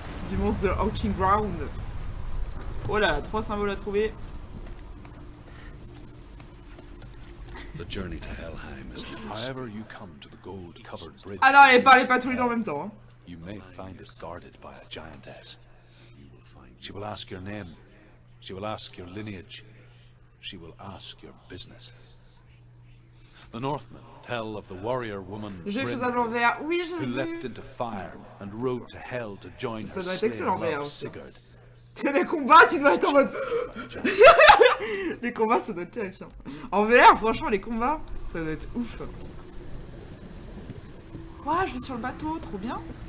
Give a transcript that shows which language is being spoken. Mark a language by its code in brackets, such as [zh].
[fr] Du monstre de Hawking Ground. Oh là là, trois symboles à trouver. [en] The journey to Helheim is the first. You come to the gold-covered bridge. [fr] Ah non, elle parlait pas tous les deux en même temps. [en] You may find it guarded by a giantess. She will ask your name. She will ask your lineage. She will ask your business. The Northmen tell of the warrior woman Brynhild, who leapt into fire and rode to hell to join her slave Sigurd. [fr] T'es les combats, tu dois être en mode. Les combats, ça doit être terrifiant. En VR, franchement, les combats, ça doit être ouf. Quoi, je vais sur le bateau, trop bien.